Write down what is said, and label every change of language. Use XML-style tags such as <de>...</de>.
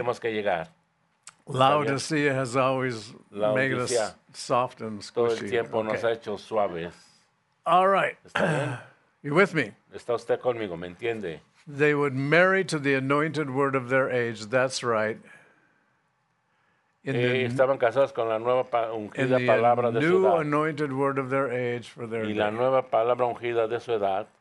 <es>Tenemos que llegar.</es> <en>Laodicea has always made us soft and squishy.</en> <es>Todo el tiempo okay. nos ha hecho suaves.</es> <en>All right. You with me?</en> <es>¿Está usted conmigo? ¿Me entiende?</es> <en>They would marry to the anointed word of their age. That's right.</en> <es>Estaban casados con la nueva ungida palabra de su edad.</es> <en>New anointed word of their age for their</en> <es>y la nueva palabra ungida de su edad</es>